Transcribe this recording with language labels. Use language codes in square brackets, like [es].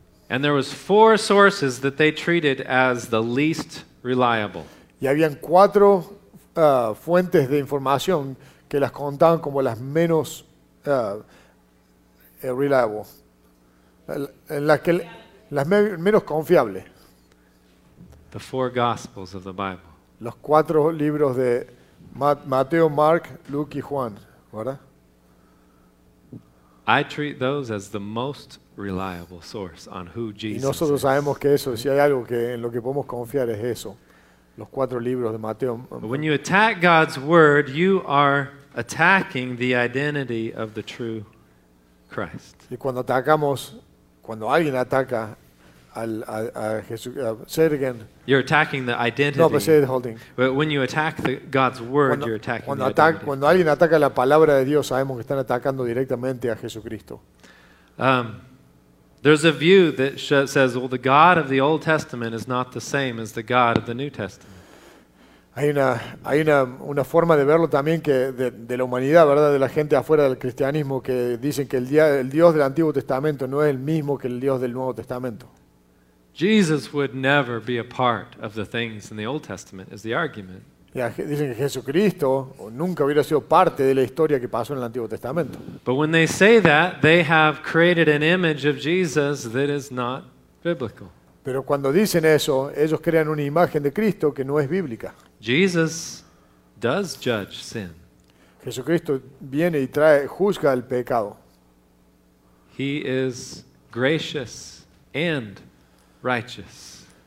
[en] And there was four sources that they treated as the least reliable. [es] Y habían cuatro fuentes de información que las contaban como las menos reliable, en las que las menos confiables. [en] The four gospels of the Bible. [es] Los cuatro libros de Mateo, Mark, Luke y Juan, ¿verdad? [en] I treat those as the most reliable source on who Jesus is. [es] Y nosotros sabemos que eso, si hay algo que en lo que podemos confiar es eso. Los cuatro libros de Mateo. [en] But when you attack God's word, you are attacking the identity of the true Christ. [es] Y cuando atacamos, cuando alguien ataca a Jesús, [en] say it again. You're attacking the identity. No, but say it holding. But when you attack God's word, you're attacking [es] cuando [en] the identity. [es] Cuando alguien ataca la palabra de Dios, sabemos que están atacando directamente a Jesucristo. [en] There's a view that says, well, the God of the Old Testament is not the same as the God of the New Testament. [es] Hay una forma de verlo también que de la humanidad, ¿verdad? De la gente afuera del cristianismo que dicen que el Dios del Antiguo Testamento no es el mismo que el Dios del Nuevo Testamento. [en] Jesus would never be a part of the things in the Old Testament is the argument. [es] Ya, dicen que Jesucristo nunca hubiera sido parte de la historia que pasó en el Antiguo Testamento. [en] But when they say that, they have created an image of Jesus that is not biblical. [es] Pero cuando dicen eso, ellos crean una imagen de Cristo que no es bíblica. [en] Jesus does judge sin. [es] Jesucristo viene y trae juzga el pecado. [en] He is gracious and righteous.